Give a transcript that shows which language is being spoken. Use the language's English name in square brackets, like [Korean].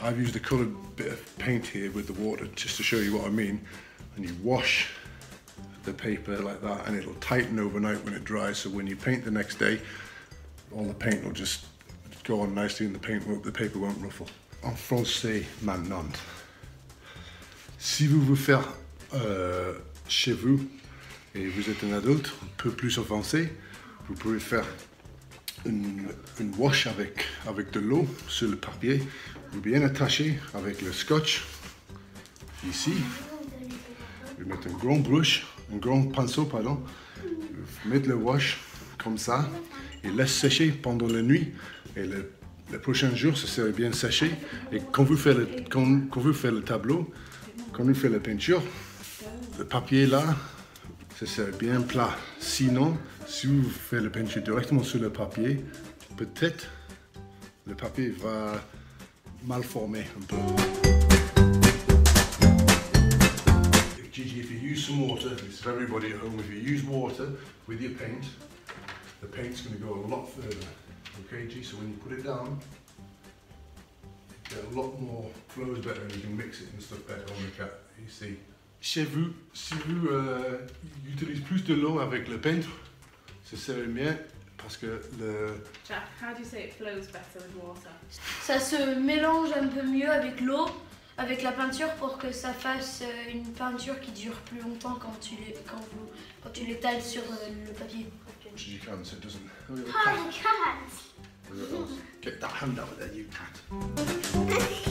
[English] I've used a coloured bit of paint here with the water just to show you what I mean. And you wash the paper like that and it'll tighten overnight when it dries. So when you paint the next day, all the paint will just go on nicely and the paper won't ruffle. [French] En français maintenant. Si vous voulez faire chez vous et vous êtes un adulte, un peu plus avancé, vous pouvez faire une wash avec de l'eau sur le papier, vous bien attacher avec le scotch ici, vous mettez un grand pinceau, vous mettez le wash comme ça et laisse sécher pendant la nuit et le prochain jour ça sera bien séché et quand vous faites le tableau, quand vous faites la peinture, le papier là ça sera bien plat. Sinon, si vous faites la peinture directement sur le papier, peut-être le papier va mal former un peu. [English] Gigi, if you use some water, this is for everybody at home, if you use water with your paint, the paint's going to go a lot further. Okay, Gigi, so when you put it down, it flows better and you can mix it and stuff better on the cap, you see. [French] Chez vous, si vous utilisez plus de l'eau avec le peintre, Ça serait mieux parce que le... [English] Jack, how do you say it flows better with water? [French] Ça se mélange un peu mieux avec l'eau, avec la peinture pour que ça fasse une peinture qui dure plus longtemps quand tu l'étales sur le papier. [English] Gigi can't, so it doesn't... Oh, you can't! Get that hand out of there, you cat.